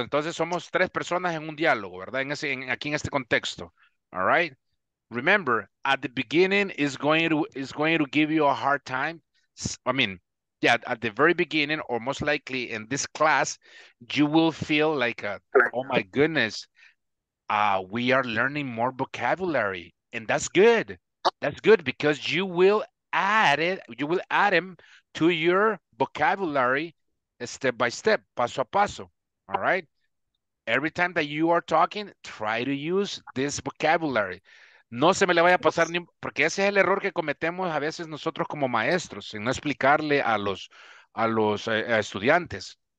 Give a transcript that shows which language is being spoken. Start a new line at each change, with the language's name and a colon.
Spanish: Entonces somos tres personas en un diálogo, ¿verdad? Aquí en este contexto.
English: All right. Remember, at the beginning is going to give you a hard time. I mean, yeah, at the very beginning, or most likely in this class, you will feel like, oh my goodness, we are learning more vocabulary. And that's good. That's good because you will add it, you will add them to your vocabulary step by step,
Spanish: paso a paso.
English: All right. Every time that you are talking, try to use this vocabulary.
Spanish: No se me le vaya a pasar ni, porque ese es el error que cometemos a veces nosotros como maestros, en no explicarle a los estudiantes.